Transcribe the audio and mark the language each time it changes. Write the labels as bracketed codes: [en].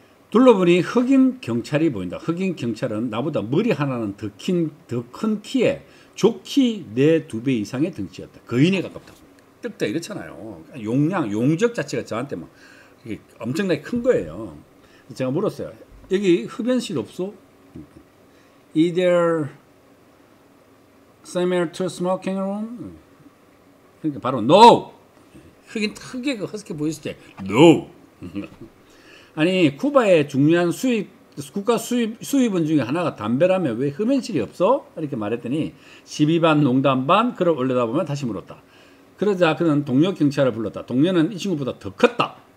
[ko] 둘러보니 흑인 경찰이 보인다. 흑인 경찰은 나보다 머리 하나는 더 큰 키에 조끼 내 두 배 이상의 등치였다. 거인에 가깝다. 뜩다 이렇잖아요. 용량, 용적 자체가 저한테 막 엄청나게 큰 거예요. 제가 물었어요. 여기 흡연실 없어? [en] Is there somewhere to smoking room? [ko] 그러니까 바로 no. 흑인 크게 그 허스키 보였을 때 no. 아니 쿠바의 중요한 국가 수입원 중에 하나가 담배라면 왜 흡연실이 없어? 이렇게 말했더니 시비 반 농담 반 그를 올려다보면 다시 물었다. 그러자 그는 동료 경찰을 불렀다. 동료는 이 친구보다 더 컸다.